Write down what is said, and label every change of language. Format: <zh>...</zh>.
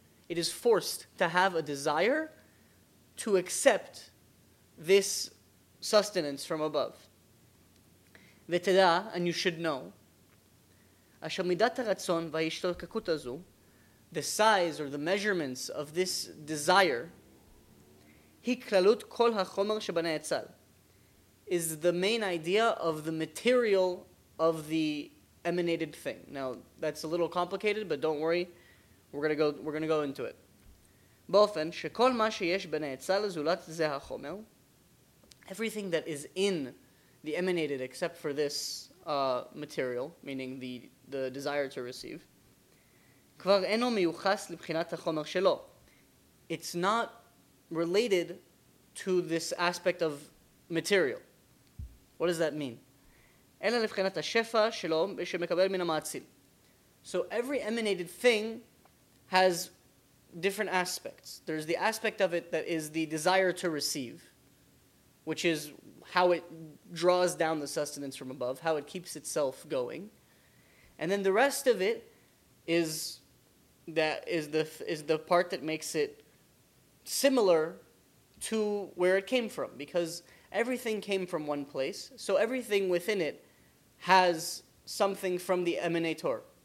<en>It is forced to have a desire to accept this sustenance from above.</en> <he>ותדע,</he> <en>and you should know,</en> <he>אשר מידת הרצון וההשתוקקות הזו,</he> <en>the size or the measurements of this desire,</en> <he>היא כללות כל החומר שבנאצל.</he> <en>Is the main idea of the material of the emanated thing. Now that's a little complicated, but don't worry, we're gonna go into it.</en> <he>באופן שכל מה שיש בנאצל זולת זה החומר,</he> <en>everything that is in the emanated except for this material, meaning the desire to receive,</en> <he>כבר אינו מיוחס לבחינת החומר שלו.</he> <en>It's not related to this aspect of material. What does that mean?</en> <he>אלא לבחינת השפע שלו שמקבל מן המעציל.</he> <en>So every emanated thing has different aspects. There's the aspect of it that is the desire to receive, which is how it draws down the sustenance from above, how it keeps itself going. And then the rest of it is the part that makes it similar to where it came from, because everything came from one place, so everything within it has something from the emanator.</en>